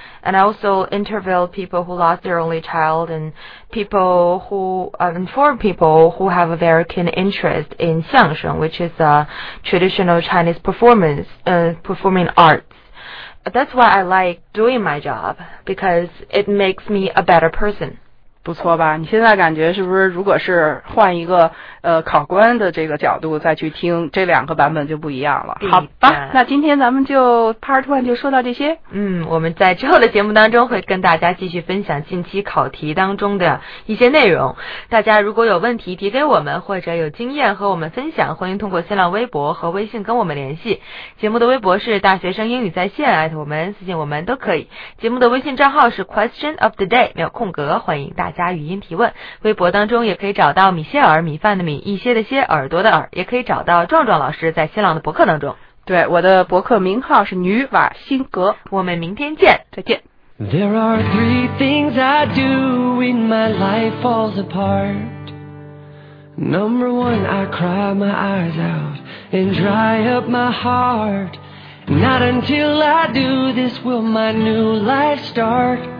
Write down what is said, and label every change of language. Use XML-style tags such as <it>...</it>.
<en>And I also interviewed people who lost their only child and informed people who have a very keen interest in 相声, which is a traditional Chinese performing arts. That's why I like doing my job, because it makes me a better person.</en> <zh>不错吧？你现在感觉是不是如果是换一个考官的这个角度再去听这两个版本就不一样了。好吧，那今天咱们就 part one 就说到这些。我们在之后的节目当中会跟大家继续分享近期考题当中的一些内容。大家如果有问题提给我们，或者有经验和我们分享，欢迎通过新浪微博和微信跟我们联系。节目的微博是大学生英语在线，@我们私信我们都可以。节目的微信账号是 question of the day， 没有空格，欢迎大家语音提问，微博当中也可以找到米歇尔，米饭的米，一些的些，耳朵的耳，也可以找到壮壮老师在新浪的博客当中。对，我的博客名号是女瓦辛格。我们明天见，再见。</zh> <en>There are three things I do when my life falls apart. Number one, I cry my eyes out and dry up my heart. Not until I do this will my new life start.</en>